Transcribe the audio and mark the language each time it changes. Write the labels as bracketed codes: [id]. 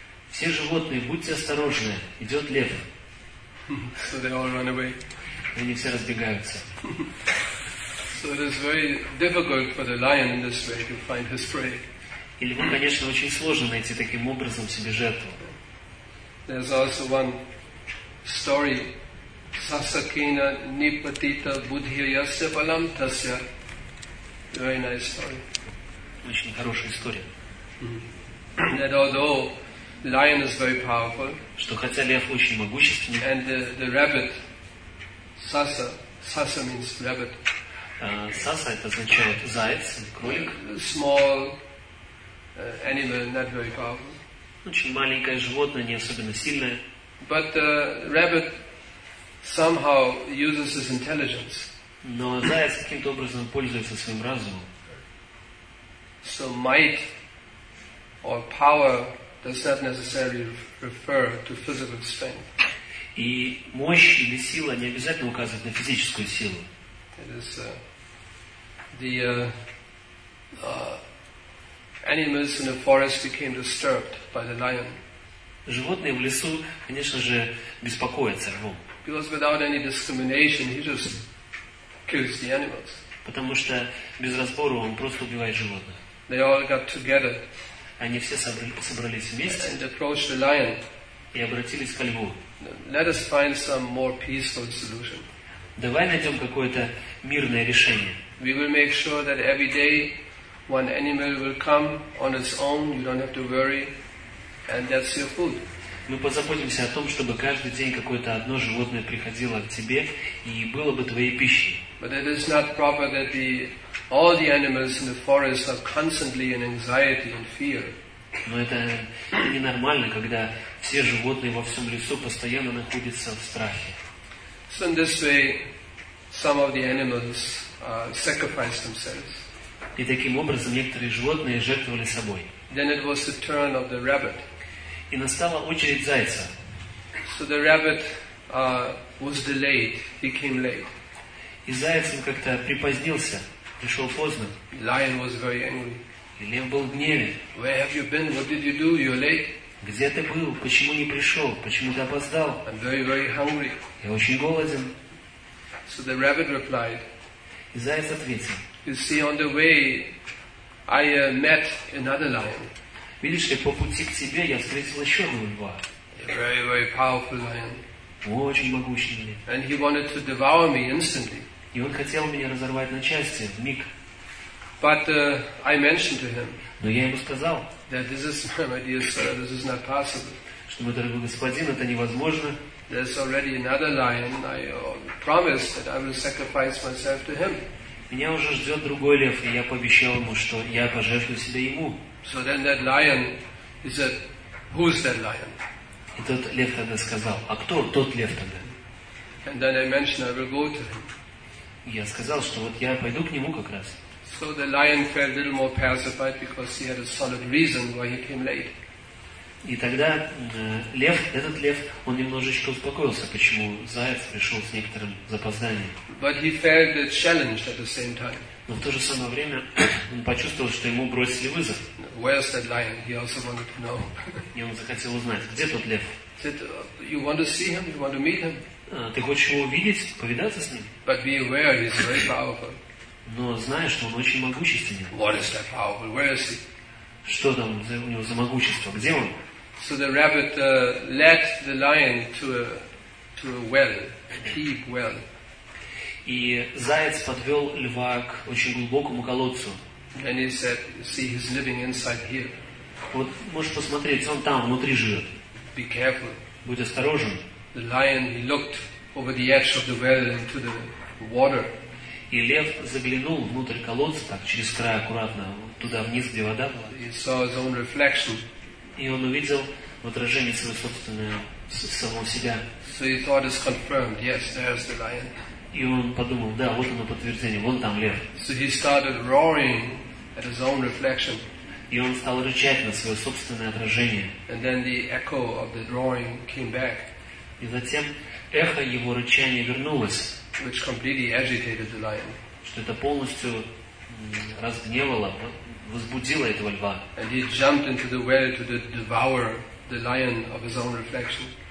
[ru] Все животные, будьте осторожны, идет лев. [en] So they all run away. [ru] Они все разбегаются. [en] So it is very difficult for the lion in this way to find his prey. [ru] И льву, конечно, очень сложно найти таким образом себе жертву. [en] There's also one story, [sa] Sasakena Nipatita Buddhya Yasya Palam Tasya. [en] Very nice story. [ru] Очень хорошая история. [en] That although lion is very powerful, [ru] что хотя лев очень могущественный, [en] and the rabbit, Sasa means rabbit. [ru] Sasa это означает заяц, кролик. [en] Small animal, not very powerful. [ru] Очень маленькое животное, не особенно сильное. [en] But the rabbit somehow uses his intelligence. [ru] Но заяц каким-то образом пользуется своим разумом. [en] So might or power does not necessarily refer to physical strength. [ru] И мощь или сила не обязательно указывает на физическую силу. [en] It is the animals in the forest became disturbed by the lion. [ru] Животные в лесу, конечно же, беспокоятся львом. [en] Because without any discrimination, he just kills the animals. [ru] Потому что без разбора он просто убивает животных. [en] They all got together. [ru] Они все собрались вместе. [en] And approached the lion. [ru] И обратились ко льву. [en] Let us find some more peaceful solution. [ru] Давай найдем какое-то мирное решение. [en] We will make sure that every day one animal will come on its own. You don't have to worry. And that's your food. [ru] Мы позаботимся о том, чтобы каждый день какое-то одно животное приходило к тебе и было бы твоей пищей. [en] But it is not proper that all the animals in the forest are constantly in anxiety and fear. [ru] Но это ненормально, когда все животные во всем лесу постоянно находятся в страхе. [en] So in this way, some of the animals sacrificed themselves. [ru] И таким образом некоторые животные жертвовали собой. [en] Then it was the turn of the rabbit. [ru] И настала очередь зайца. [en] So the rabbit was delayed. He came late. [ru] И заяц как-то припозднился, пришел поздно. [en] Lion was very angry. [ru] И лев был в гневе. [en] Where have you been? What did you do? You're late. [ru] Где ты был? Почему не пришел? Почему ты опоздал? [en] I'm very, very hungry. [ru] Я очень голоден. [en] So the rabbit replied. [ru] И заяц ответил. [en] You see, on the way, I met another lion. [ru] Видишь ли, по пути к тебе я встретил еще одного льва. [en] A very, very powerful lion. [ru] Очень могущий лев. [en] And he wanted to devour me instantly. [ru] И он хотел меня разорвать на части в миг. [en] But I mentioned to him. [ru] Но я ему сказал. [en] That this is my dear sir, this is not possible. [ru] Что мой дорогой господин, это невозможно. [en] There's already another lion. I promised that I will sacrifice myself to him. [ru] Меня уже ждет другой лев, и я пообещал ему, что я пожертвую себя ему. [en] So then that lion, he said, who is that lion? [ru] И тот лев тогда сказал, а кто тот лев тогда? [en] And then I mentioned I will go to him. [ru] Я сказал, что вот я пойду к нему как раз. [en] So the lion felt a little more pacified because he had a solid reason why he came late. [ru] И тогда этот лев, он немножечко успокоился, почему заяц пришел с некоторым запозданием. [en] But he felt a challenge at the same time. [ru] Но в то же самое время он почувствовал, что ему бросили вызов. [en] Where's that lion? He also wanted to know. [ru] И он захотел узнать, где тот лев. [en] Said, you want to see him? You want to meet him? [ru] Ты хочешь его увидеть, повидаться с ним? [en] But be aware, he's very powerful. [ru] Но знаешь, что он очень могущественный. [en] What is that powerful? Where is he? [ru] Что там у него за могущество? Где он? [en] So the rabbit led the lion to a well, a deep well. [ru] И заяц подвел льва к очень глубокому колодцу. [en] And he said, see, he's living inside here. [ru] Вот, можешь посмотреть, он там внутри живет. [en] Be careful. [ru] Будь осторожен. [en] The lion, he looked over the edge of the well into the water. [ru] И лев заглянул внутрь колодца, так, через край аккуратно, туда вниз, где вода была. [en] He saw his own reflection. [ru] И он увидел в отражении свое собственное, самого себя. [en] So he thought it's confirmed. Yes, there's the lion. [ru] И он подумал, да, вот оно подтверждение, вон там лев. [en] So he started roaring at his own reflection. [ru] И он стал рычать на свое собственное отражение. [en] And then the echo of the roaring came back. [ru] И затем эхо его рычания вернулось. [en] Which completely agitated the lion. [ru] Что это полностью разгневало, возбудило этого льва. [en] And he jumped into the well to devour the lion of his own reflection.